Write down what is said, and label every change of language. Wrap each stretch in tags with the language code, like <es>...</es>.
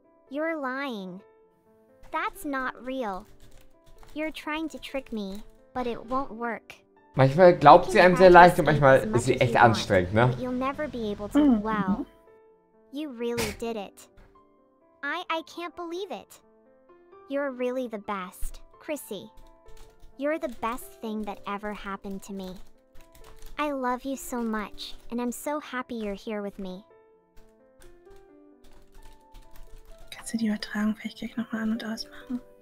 <en>You're lying. That's not real. You're trying to trick me, but it won't work.</en> <de>Manchmal glaubt sie einem sehr leicht und manchmal ist sie echt anstrengend, ne?</de> <en>You'll never be able to. Wow. You really did it. I can't believe it. You're really the best, Chrissy. You're the best thing that ever happened to me. I love you so much, and I'm so happy you're here with me.</en> <de>Kannst du die Übertragung vielleicht gleich nochmal an- und ausmachen?</de>